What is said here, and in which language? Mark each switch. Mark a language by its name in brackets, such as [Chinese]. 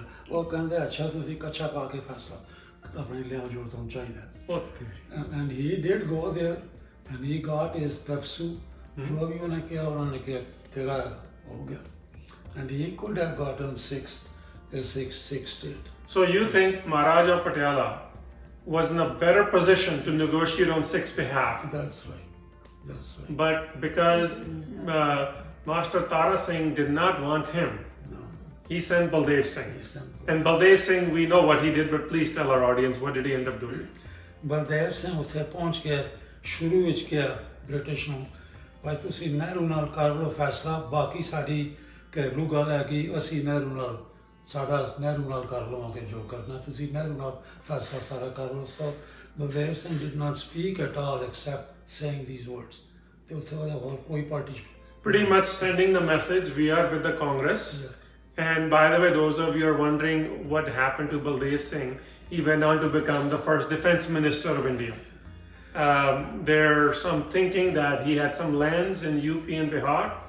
[English] He said, okay, you're going to have a good deal of money. You're going to have a good deal of money. And he did go there, and he got his Pepsi. [Punjabi] ਜੋ ਵੀ ਉਹਨੇ ਕਿਹਾ ਉਹਨਾਂ ਨੇ ਕਿਹਾ ਤੇਰਾ ਹੋ ਗਿਆ [English] And he could have gotten 6th, 6th, 6th state. So you think Maharaja Patiala was in a better position to negotiate on 6th behalf? That's right, that's right, but because master Tara Singh did not want him, he sent Baldev Singh, and Baldev Singh we know what he did, but please tell our audience what did he end up doing? [Punjabi] Baldev Singh ਉੱਥੇ ਪਹੁੰਚ ਕੇ ਸ਼ੁਰੂ ਵਿੱਚ ਕਿਹਾ British ਨੂੰ, ਭਾਈ ਤੁਸੀਂ ਨਹਿਰੂ ਨਾਲ ਕਰ ਲਓ ਫੈਸਲਾ, ਬਾਕੀ ਸਾਡੀ ਘਰੇਲੂ ਗੱਲ ਹੈਗੀ, ਅਸੀਂ ਨਹਿਰੂ ਨਾਲ ਸਾਡਾ ਨਹਿਰੂ ਨਾਲ ਕਰ ਲਵਾਂਗੇ ਜੋ ਕਰਨਾ, ਤੁਸੀਂ ਨਹਿਰੂ ਨਾਲ ਫੈਸਲਾ ਸਾਰਾ ਕਰ ਲਓ। [English] so Baldev Singh did not speak at all except saying these words, [Punjabi] ਅਤੇ ਉੱਥੇ ਉਹਦਾ ਹੋਰ ਕੋਈ party [English] Pretty much sending the message we are with the Congress and by the way those of you are wondering what happen to Baldev Singh, he went on to become the first defence minister of India. There's some thinking that he had some lands in UP and Bihar.